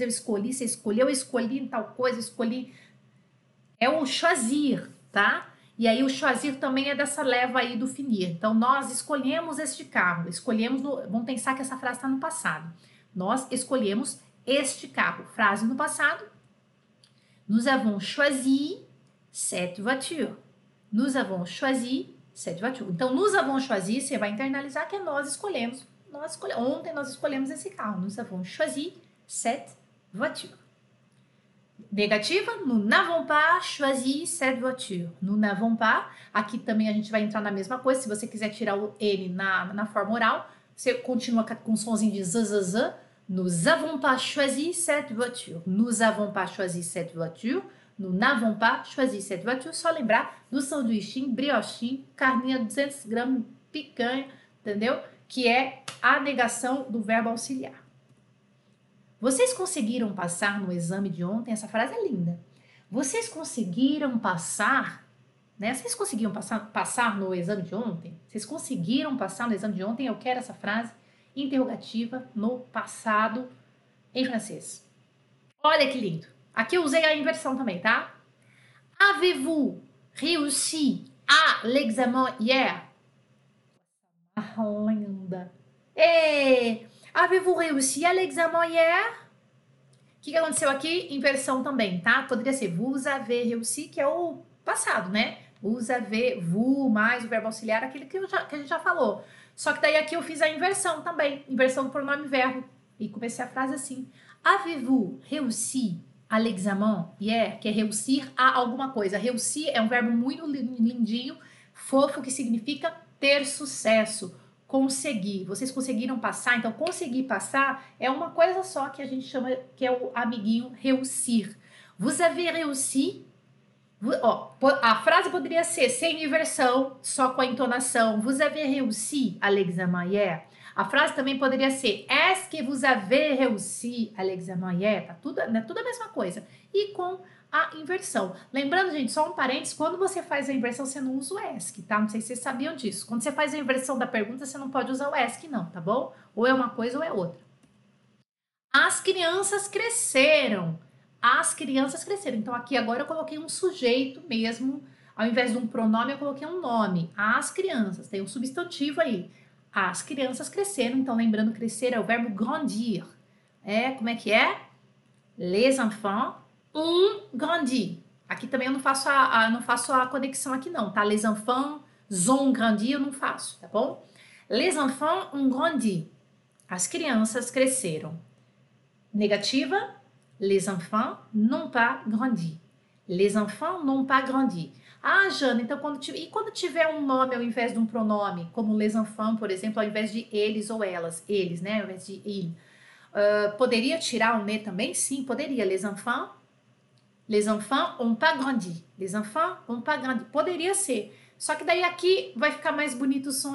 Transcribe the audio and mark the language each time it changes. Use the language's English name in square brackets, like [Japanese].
[Portuguese] Eu escolhi, você escolheu, eu escolhi em tal coisa, escolhi. É o choisir, tá? E aí o choisir também é dessa leva aí do finir. Então, nós escolhemos este carro, escolhemos, vamos pensar que essa frase tá no passado. Nós escolhemos este carro. Frase no passado. [French] Nous avons choisi cette voiture. Nous avons choisi cette voiture. [Portuguese] Então, [French] nous avons choisi, [Portuguese] você vai internalizar que nós escolhemos. Ontem nós escolhemos esse carro. [French] Nous avons choisi cette voiture. Negativa, nous n'avons pas choisi cette voiture. Nous n'avons pas. [Portuguese] Aqui também a gente vai entrar na mesma coisa. Se você quiser tirar o N na forma oral, você continua com o somzinho de zzz. [French] Nous avons pas choisi cette voiture. Nous avons pas choisi cette voiture. Nous n'avons pas choisi cette voiture. [Portuguese] Só lembrar do sanduíche, brioche, carninha, 200 gramas, picanha, entendeu? Que é a negação do verbo auxiliar. Vocês conseguiram passar no exame de ontem? Essa frase é linda. Vocês conseguiram passar, né? Vocês conseguiram passar no exame de ontem? Vocês conseguiram passar no exame de ontem? Eu quero essa frase interrogativa no passado em francês. Olha que lindo. Aqui eu usei a inversão também, tá? [French] Avez-vous réussi à l'examen hier? [Portuguese] Ah, linda. [French] Avez-vous réussi à l'examen hier? [Portuguese] O que aconteceu aqui? Inversão também, tá? Poderia ser [French] vous avez réussi, [Portuguese] que é o passado, né? [French] Vous avez, vous, mais [Portuguese] o verbo auxiliar, aquele que a gente já falou. Só que daí aqui eu fiz a inversão também, inversão do pronome verbo. E comecei a frase assim. [French] Avez-vous réussi à l'examen hier? [Portuguese] Que é réussir a alguma coisa. Réussir é um verbo muito lindinho, fofo, que significa ter sucesso. Conseguir. Vocês conseguiram passar? Então, conseguir passar é uma coisa só que a gente chama, que é o amiguinho réussir. [French] Vous avez réussi? [Portuguese] A frase poderia ser sem inversão, só com a entonação. [French] Vous avez réussi à l'examen hier? [Portuguese] A frase também poderia ser [French] est-ce que vous avez réussi à l'examen hier? [Portuguese] Tá tudo, né, tudo a mesma coisa. E com a inversão. Lembrando, gente, só um parênteses, quando você faz a inversão, você não usa o ESC, tá? Não sei se vocês sabiam disso. Quando você faz a inversão da pergunta, você não pode usar o ESC, não, tá bom? Ou é uma coisa ou é outra. As crianças cresceram. As crianças cresceram. Então, aqui agora eu coloquei um sujeito mesmo. Ao invés de um pronome, eu coloquei um nome. As crianças. Tem um substantivo aí. As crianças cresceram. Então, lembrando, crescer é o verbo grandir. É, como é que é? [French] Les enfants. [Portuguese] Um grandi. Aqui também eu não faço a conexão aqui não, tá? [French] Les enfants ont grandi, [Portuguese] eu não faço, tá bom? [French] Les enfants ont grandi. [Portuguese] As crianças cresceram. Negativa. [French] Les enfants n'ont pas grandi. Les enfants n'ont pas grandi. [Portuguese] Ah, Jana, então quando tiver um nome ao invés de um pronome, como les enfants, por exemplo, ao invés de eles ou elas, eles, né? Ao invés de il. Poderia tirar o ne também? Sim, poderia. [French] Les enfants. Les enfants ont pas grandi. Les enfants ont pas grandi. [Portuguese] Poderia ser. Só que daí aqui vai ficar mais bonito o som.